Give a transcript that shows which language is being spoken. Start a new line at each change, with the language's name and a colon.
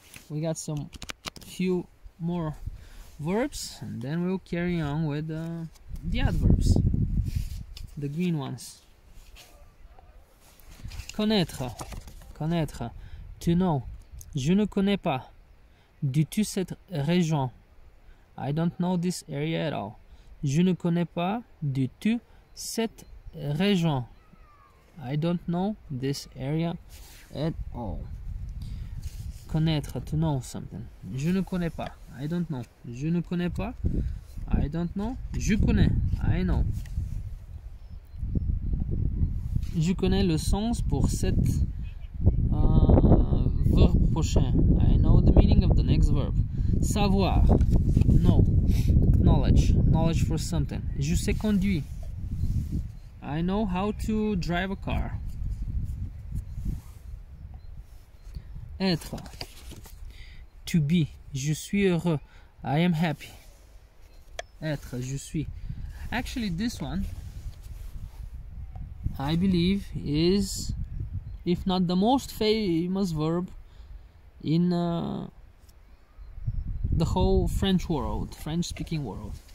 English: We got some few more verbs and then we'll carry on with the adverbs, the green ones.
French: Connaître, connaître, to know. Je ne connais pas du tout cette région.
English: I don't know this area at all.
French: Je ne connais pas du tout cette région.
English: I don't know this area at all.
French: Connaître,
English: to know something.
French: Je ne connais pas.
English: I don't know. Je ne connais pas. I don't know.
French: Je connais.
English: I know.
French: Je connais le sens pour cette verbe prochain.
English: I know the meaning of the next verb.
French: Savoir.
English: Know. Knowledge. Knowledge for something.
French: Je sais conduire.
English: I know how to drive a car.
French: Être. To be. Je suis heureux.
English: I am happy.
French: être, je suis.
English: Actually, this one, I believe, is, if not the most famous verb in the whole French world, French-speaking world.